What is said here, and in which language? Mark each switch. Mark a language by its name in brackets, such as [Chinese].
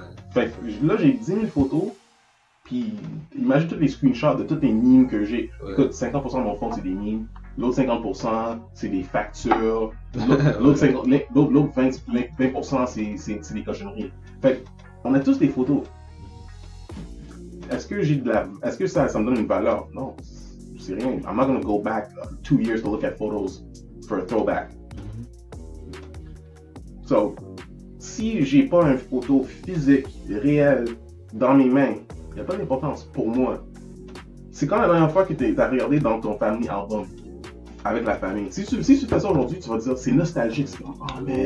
[French] Fait, là, j'ai 10 000 photos, puis imagine tous les screenshots de toutes les memes que j'ai. Ouais. Écoute, 50% de mon phone, c'est des memes. L'autre 50%, c'est des factures. L'autre 20%, c'est des cochonneries. Fait, on a tous des photos. Est-ce que ça me donne une valeur? Non, c'est rien. [English] I'm not gonna go back 2 years to look at photos for a throwback. [French] So, si j'ai pas une photo physique, réelle, dans mes mains, il n'y a pas d'importance pour moi. C'est quand la dernière fois que tu as regardé dans ton [English] family album [French] avec la famille. Si tu fais ça aujourd'hui, tu vas dire c'est nostalgique. C'est comme, oh, man,